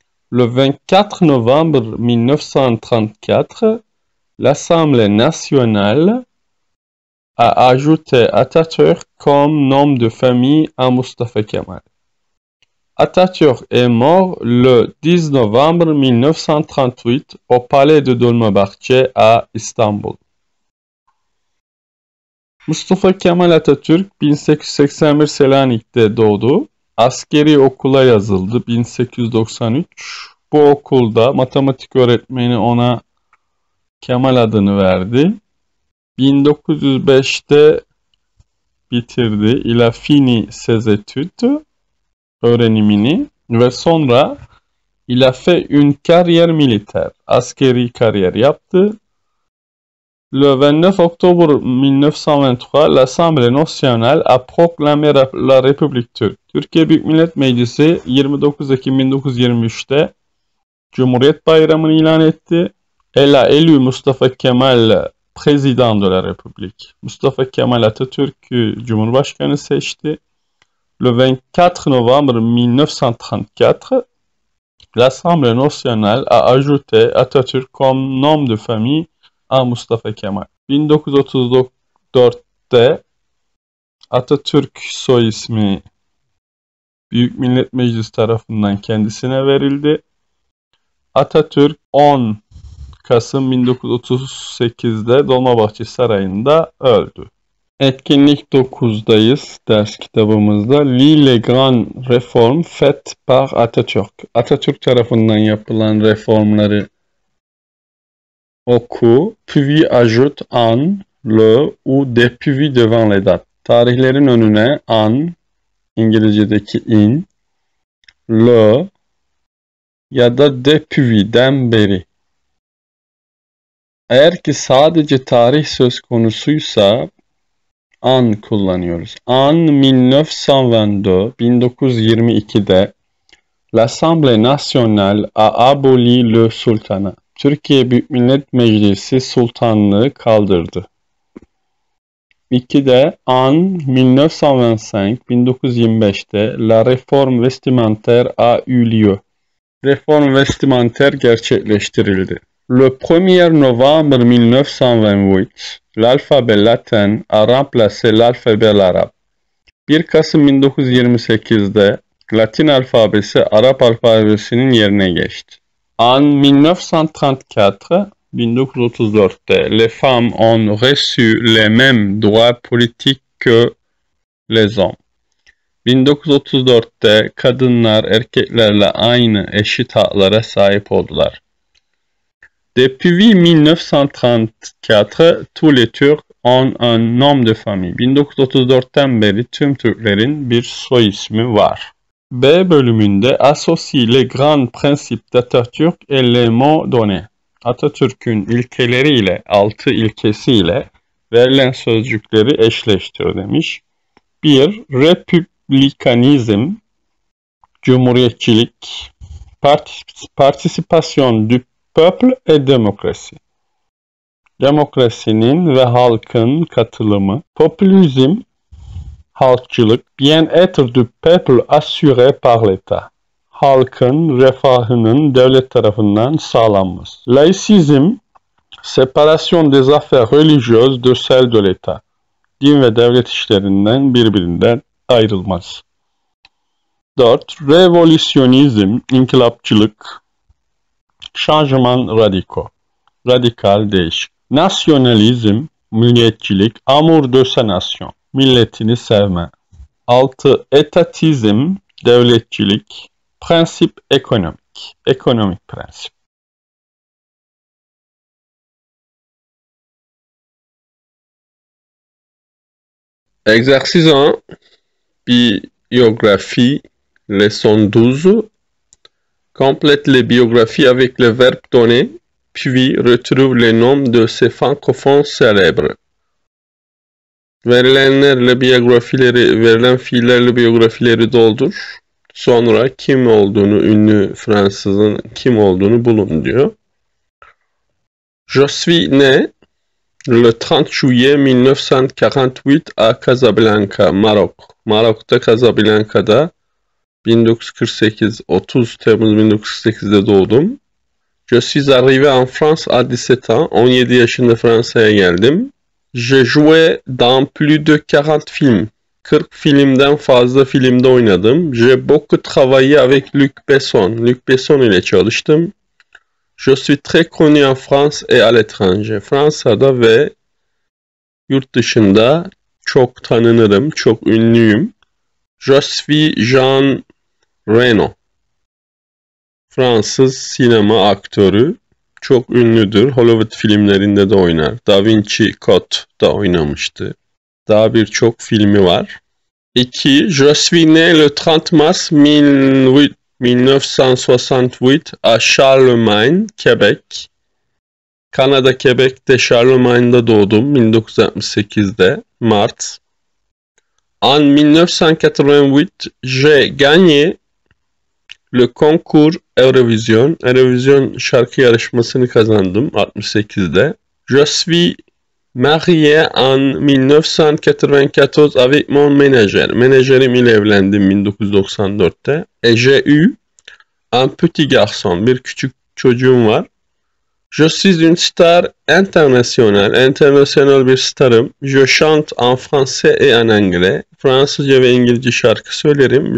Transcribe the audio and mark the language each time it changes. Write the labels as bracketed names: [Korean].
[French] Le 24 novembre 1934, l'Assemblée nationale a ajouté Atatürk comme nom de famille à Mustafa Kemal. Atatürk est mort le 10 novembre 1938 au palais de Dolmabahçe à Istanbul. [Turkish] Mustafa Kemal Atatürk 1881 Selanik'te doğdu. Askeri okula yazıldı 1893. Bu okulda matematik öğretmeni ona Kemal adını verdi. 1905'te bitirdi. [French] Il a fini ses études. [Turkish] Öğrenimini ve sonra [French] il a fait une carrière militaire. [Turkish] Askeri kariyer yaptı. [French] Le 29 octobre 1923, l'Assemblée nationale a proclamé la République turque. [Turkish] Türkiye Büyük Millet Meclisi 29 Ekim 1923'te Cumhuriyet Bayramı'nı ilan etti. [French] Elle a élu Mustafa Kemal président de la République. [Turkish] Mustafa Kemal Atatürk'ü Cumhurbaşkanı seçti. [French] Le 24 novembre 1934, l'Assemblée nationale a ajouté Atatürk comme nom de famille à Mustafa Kemal. 1939'da [Turkish] 1923'te Atatürk soy ismi Büyük Millet Meclisi tarafından kendisine verildi. Atatürk 10 Kasım 1938'de Dolmabahçe Sarayı'nda öldü. Etkinlik 9'dayız ders kitabımızda. [French] L'île grand réforme faite par Atatürk. [Turkish] Atatürk tarafından yapılan reformları oku. [French] Puis ajoute en le ou depuis devant les dates. [Turkish] Tarihlerin önüne an, İngilizce'deki in, le ya da depuis'den beri. Eğer ki sadece tarih söz konusuysa an kullanıyoruz. [French] An 1922, 1922'de l'Assemblée nationale a aboli le sultanat. [Turkish] Türkiye Büyük Millet Meclisi sultanlığı kaldırdı. [French] 2'de an 1925, 1925'te la réforme vestimentaire a eu lieu. [Turkish] Reform vestimenter gerçekleştirildi. [French] Le 1er novembre 1928, l'alphabet latin a remplacé l'alphabet arabe. [Turkish] 1 Kasım 1928'de Latin alfabesi Arap alfabesinin yerine geçti. [French] En 1934, 1934'te les femmes ont reçu les mêmes droits politiques que les hommes. [Turkish] 1934'te kadınlar erkeklerle aynı eşit haklara sahip oldular. [French] Depuis 1934, tous les Turcs ont un nom de famille. [Turkish] 1934'ten beri tüm Türklerin bir soy ismi var. B bölümünde [French] associe les grands principes d'Atatürk et les mots donnés. [Turkish] Atatürk'ün ilkeleriyle, altı ilkesiyle verilen sözcükleri eşleştir demiş. [French] 1. [Turkish] Republikanizm, cumhuriyetçilik, [French] participation du peuple et démocratie. [Turkish] Demokrasinin ve halkın katılımı. Populizm, halkçılık, [French] bien-être du peuple assuré par l'État. [Turkish] Halkın refahının devlet tarafından sağlanması. [French] Laïcisme, séparation des affaires religieuses de celles de l'État. [Turkish] Din ve devlet işlerinden birbirinden ayrılmaz. 4. Revolutionizm, inkılapçılık, [French] changement radical, [Turkish] radikal değişik. Nasyonalizm, milliyetçilik, [French] amour de sa nation, [Turkish] milletini sevme. 6. Etatizm, devletçilik, prensip ekonomik, ekonomik prensip. [French] Exercice 1. Biographie. Leçon 12. Complète les biographies avec les verbes donnés, puis retrouve les noms de ces francophones célèbres. [Turkish] Verilen fiillerle biyografileri doldur. Sonra kim olduğunu, ünlü Fransızın kim olduğunu bulun diyor. [French] Je suis né le 30 juillet 1948 à Casablanca, Maroc. [Turkish] Maroc'ta Casablanca'da 1948, 30 Temmuz 1948'de doğdum. [French] Je suis arrivé en France à 17 ans. [Turkish] 17 yaşında Fransa'ya geldim. [French] J'ai joué dans plus de 40 films. [Turkish] 40 filmden fazla filmde oynadım. [French] J'ai beaucoup travaillé avec Luc Besson. [Turkish] Luc Besson ile çalıştım. [French] Je suis très connu en France et à l'étranger. [Turkish] Fransa'da ve yurt dışında çok tanınırım, çok ünlüyüm. [French] Je suis Jean Reno. [Turkish] Fransız sinema aktörü. Çok ünlüdür. Hollywood filmlerinde de oynar. Da Vinci Code da oynamıştı. Daha birçok filmi var. 2. [French] Je suis né le 30 mars 1968 à Charlemagne, Quebec. [Turkish] Kanada, Quebec'te Charlemagne'da doğdum 1968'de Mart. [French] En 1988, j'ai gagné le concours Eurovision. [Turkish] Eurovision şarkı yarışmasını kazandım 68'de. [French] Je suis marié en 1994 avec mon ménager. [Turkish] Menajerim ile evlendim 1994'te. [French] Et j'ai eu un petit garçon. [Turkish] Bir küçük çocuğum var. [French] Je suis une star internationale. [Turkish] International bir starım. [French] Je chante en français et en anglais. [Turkish] Fransızca ve İngilizce şarkı söylerim.